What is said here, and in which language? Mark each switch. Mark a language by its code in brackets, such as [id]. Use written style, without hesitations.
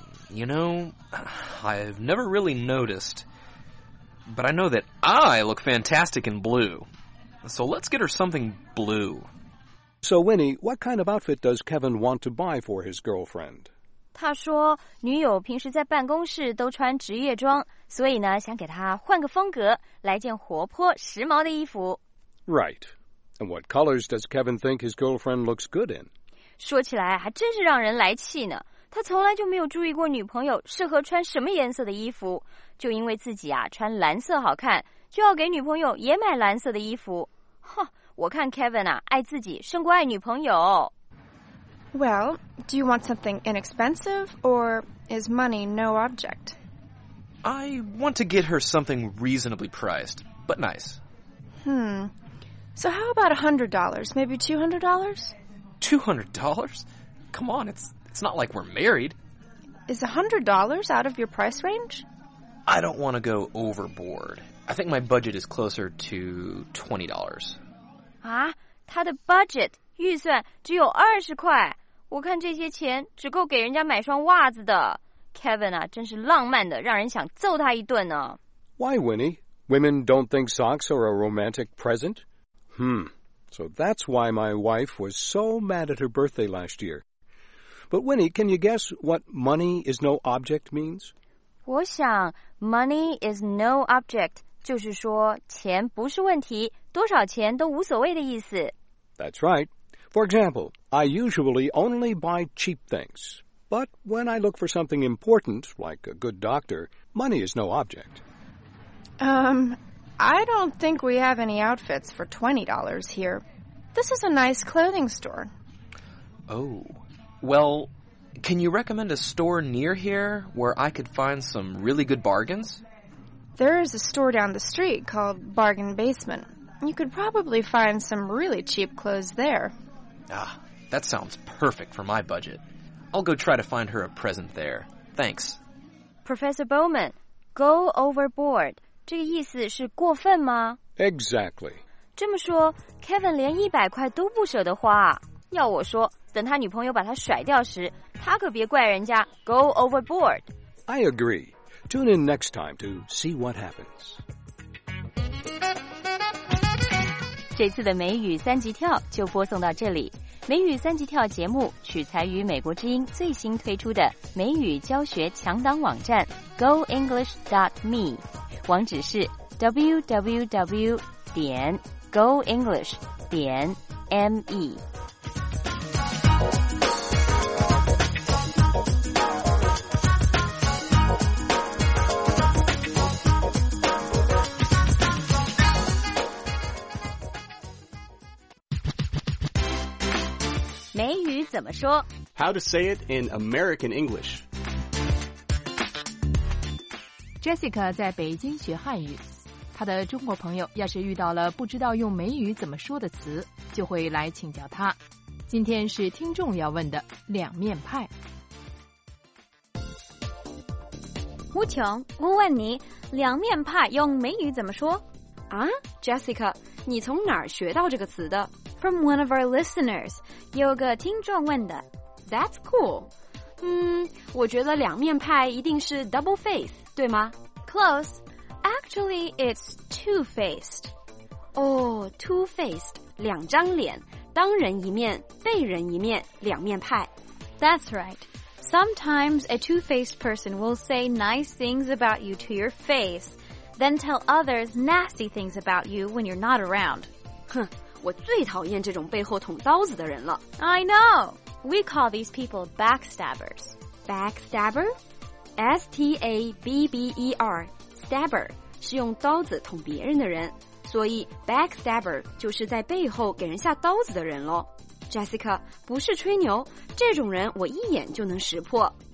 [en] You know, I've never really noticed. But I know that I look fantastic in blue. So let's get her something blue. So, Winnie, what kind of outfit does Kevin want to buy for his girlfriend? [zh] 他说女友平时在办公室都穿职业装，所以呢，想给她换个风格，来件活泼时髦的衣服。 [en] Right. And what colors does Kevin think his girlfriend looks good in? [zh] 说起来还真是让人来气呢。他从来就没有注意过女朋友适合穿什么颜色的衣服，就因为自己啊穿蓝色好看，就要给女朋友也买蓝色的衣服。哼。我看 Kevin 啊，爱自己胜过爱女朋友。 [en] Well, do you want something inexpensive, or is money no object? I want to get her something reasonably priced, but nice. So how about $100, maybe $200? $200? Come on, it's not like we're married. Is $100 out of your price range? I don't want to go overboard. I think my budget is closer to $20. [zh] 啊, 他的 budget, 预算只有20块。我看这些钱只够给人家买双袜子的。Kevin 啊，真是浪漫的，让人想揍他一顿呢。 [en] Why, Winnie? Women don't think socks are a romantic present? So that's why my wife was so mad at her birthday last year. But Winnie, can you guess what money is no object means? 我想 money is no object 就是说钱不是问题，多少钱都无所谓的意思。 That's right. For example, I usually only buy cheap things. But when I look for something important, like a good doctor, money is no object. I don't think we have any outfits for $20 here. This is a nice clothing store. Oh, well, can you recommend a store near here where I could find some really good bargains? There is a store down the street called Bargain Basement. You could probably find some really cheap clothes there. Ah, that sounds perfect for my budget. I'll go try to find her a present there. Thanks. Professor Bowman, go overboard. [zh] 这个意思是过分吗 [en] ？Exactly. [zh] 这么说 ，Kevin 连100块都不舍得花、啊。要我说，等他女朋友把他甩掉时，他可别怪人家 [en] go overboard. I agree. Tune in next time to see what happens. [zh] 这次的美语三级跳就播送到这里。美语三级跳节目取材于美国之音最新推出的美语教学强档网站 goenglish.me。网址是 www.goenglish.me。美语怎么说 [en] ？How to say it in American English？ [zh] Jessica 在北京学汉语，她的中国朋友要是遇到了不知道用美语怎么说的词，就会来请教她。今天是听众要问的两面派。吴琼，我问你，两面派用美语怎么说？啊 ，Jessica， 你从哪儿学到这个词的 [en] ？From one of our listeners， [zh] 有个听众问的。 [en] That's cool。 [zh] 我觉得两面派一定是 [en] double face。 [zh] 对吗 [en] ？Close. Actually, it's two-faced. Oh, two-faced. [zh] 两张脸，当人一面，被人一面，两面派。 [en] That's right. Sometimes a two-faced person will say nice things about you to your face, then tell others nasty things about you when you're not around. [zh] 哼，我最讨厌这种背后捅刀子的人了。 [en] I know. We call these people backstabbers. Backstabber? [zh] S-T-A-B-B-E-R, stabber, 是用刀子捅别人的人。所以 backstabber 就是在背后给人下刀子的人咯。 Jessica, 不是吹牛，这种人我一眼就能识破。